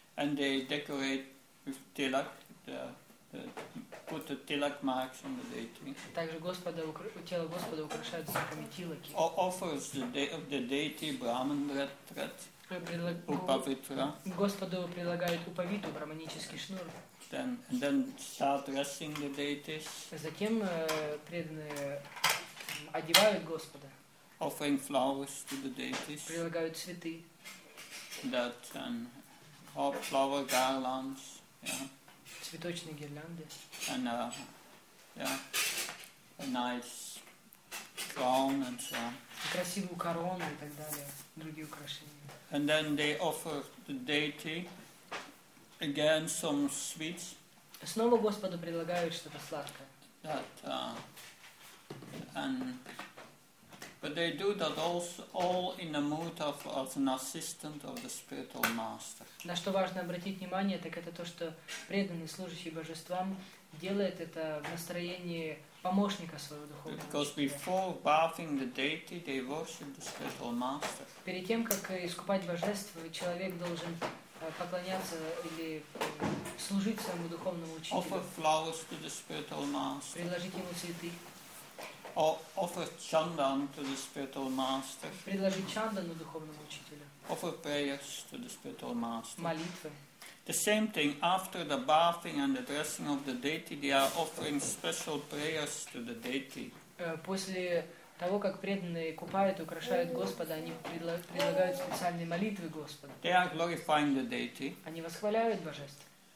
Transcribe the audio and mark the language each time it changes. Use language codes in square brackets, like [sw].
[en] And they decorate with tilak, put the tilak marks on the deity. [ru] Также Господа тело Господа украшают знаками тилаки. [en] Offers the deity Brahman thread. Упавитра. [ru] Господу предлагают упавиту браманический шнур. [en] Then start dressing the deities. [ru] Затем преданные одевают Господа. [en] Offering flowers to the deities. [ru] Предлагают цветы. [en] That and all flower garlands. [ru] Цветочные гирлянды. [en] And a nice crown and so on. [ru] Красивую корону и так далее, другие украшения. [en] And then they offer the deity again some sweets. [ru] Снова Господу предлагают что-то сладкое. [en] That but they do that also all in the mood of as an assistant of the spiritual master. [ru] На что важно обратить внимание, так это то, что преданный служащий божествам делает это в настроении помощника своего духовного. [en] Because before bathing the deity, they worship the spiritual master. [ru] Перед тем, как искупать божество, человек должен поклоняться или служить своему духовному учителю. [en] Offer flowers to the spiritual master. [ru] Предложить ему цветы. [en] Offer chandan to the spiritual master. [ru] Предложить чандану духовному учителю. [en] Offer prayers to the spiritual master. [ru] Молитвы. [en] The same thing after the bathing and the dressing of the deity, they are offering special prayers to the deity. [ru] После того, как преданные купают, украшают Господа, они предлагают специальные молитвы Господу. [en] They are glorifying the deity. [ru] Они восхваляют божество.